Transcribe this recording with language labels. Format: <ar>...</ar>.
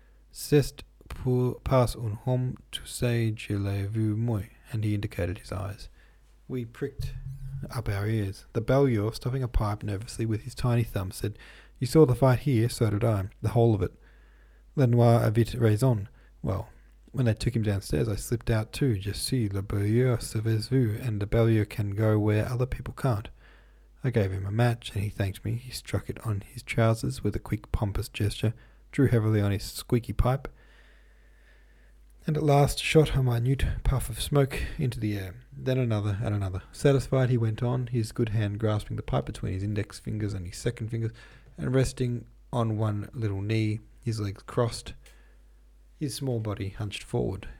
<fr>C'est pour pas un homme tu sais je l'ai vu moi,</fr> <en>and he indicated his eyes. We pricked up our ears. The balieur, stuffing a pipe nervously with his tiny thumb, said, you saw the fight here, so did I, the whole of it.</en> <fr>Le noir avait raison.</fr> <en>Well, when they took him downstairs, I slipped out too.</en> <fr>Je suis le balieur, savez-vous,</fr> <en>and the balieur can go where other people can't. I gave him a match, and he thanked me. He struck it on his trousers with a quick, pompous gesture, drew heavily on his squeaky pipe, and at last shot a minute puff of smoke into the air. Then another and another. Satisfied, he went on, his good hand grasping the pipe between his index fingers and his second fingers, and resting on one little knee, his legs crossed, his small body hunched forward.</en>